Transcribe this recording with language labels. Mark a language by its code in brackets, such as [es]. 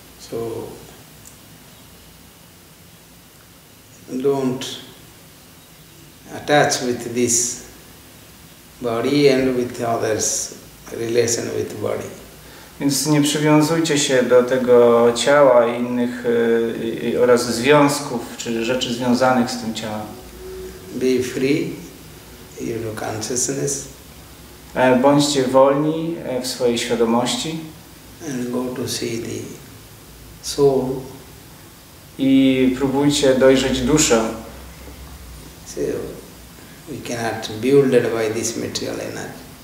[en] So, don't attach with this body and with others, relation with body. [pl] Więc nie przywiązujcie się do tego ciała i innych oraz związków, czy rzeczy związanych z tym ciałem. [en] Be free in your consciousness. [pl] Bądźcie wolni w swojej świadomości. [en] And go to see the soul. [pl] I próbujcie dojrzeć duszę. [en] So we cannot build it by this material energy.